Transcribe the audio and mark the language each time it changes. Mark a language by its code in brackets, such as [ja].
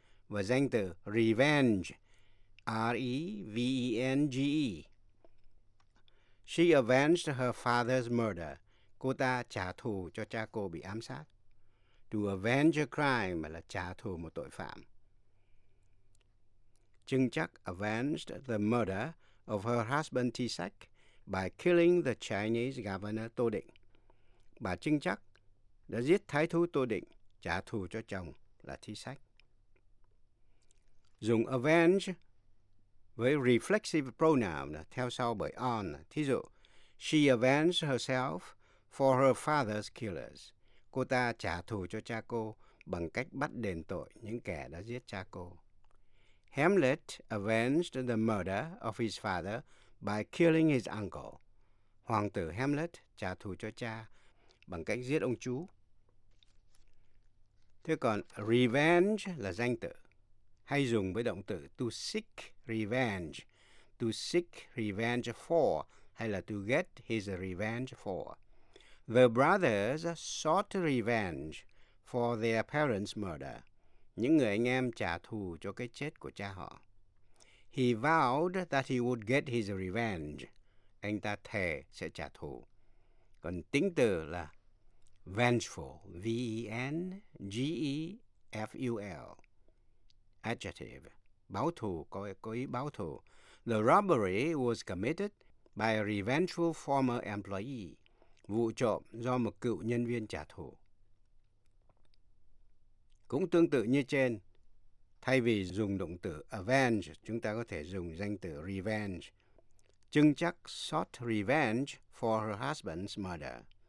[vi] Và danh từ revenge, R-E-V-E-N-G-E. [en] She avenged her father's murder. [vi] Cô ta trả thù cho cha cô bị ám sát. [en] To avenge a crime [vi] là trả thù một tội phạm. [en] Chưng chắc avenged the murder of her husband T-Sek by killing the Chinese governor Tô Định. [vi] Bà Chưng chắc đã giết thái thú Tô Định, trả thù cho chồng là T-Sek. Dùng avenge với reflexive pronoun theo sau bởi on. Thí dụ, [en] she avenged herself for her father's killers. [vi] Cô ta trả thù cho cha cô bằng cách bắt đền tội những kẻ đã giết cha cô. [en] Hamlet avenged the murder of his father by killing his uncle. [vi] Hoàng tử Hamlet trả thù cho cha bằng cách giết ông chú. Thế còn revenge là danh từ, hay dùng với động từ [en] to seek revenge for, [vi] hay là [en] to get his revenge for. The brothers sought revenge for their parents' murder. [vi] Những người anh em trả thù cho cái chết của cha họ. [en] He vowed that he would get his revenge. [vi] Anh ta thề sẽ trả thù. Còn tính từ là vengeful, V-E-N-G-E-F-U-L. Adjective, báo thù, có ý báo thù. [en] The robbery was committed by a revengeful former employee. [vi] Vụ trộm do một cựu nhân viên trả thù. Cũng tương tự như trên, thay vì dùng động từ avenge, chúng ta có thể dùng danh từ revenge. [en] Chưng chắc sought revenge for her husband's murder.